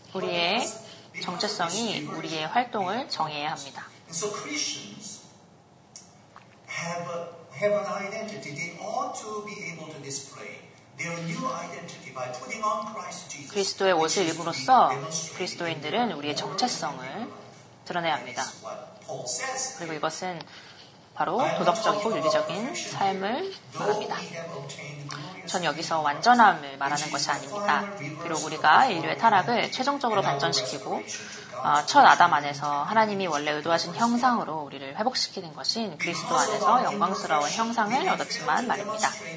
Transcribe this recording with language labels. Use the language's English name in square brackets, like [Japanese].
[Korean] 우리의 정체성이 우리의 활동을 정해야 합니다. [English] And so Christians have have an identity they ought to be able to display. Their new identity by putting on Christ Jesus. [Korean] 그리스도의 옷을 입음으로써 그리스도인들은 우리의 정체성을 드러내야 합니다. 그리고 이것은 바로 도덕적이고 윤리적인 삶을 말합니다. 전 여기서 완전함을 말하는 것이 아닙니다. 비록 우리가 인류의 타락을 최종적으로 발전시키고 첫 아담 안에서 하나님이 원래 의도하신 형상으로 우리를 회복시키는 것인 그리스도 안에서 영광스러운 형상을 얻었지만 말입니다.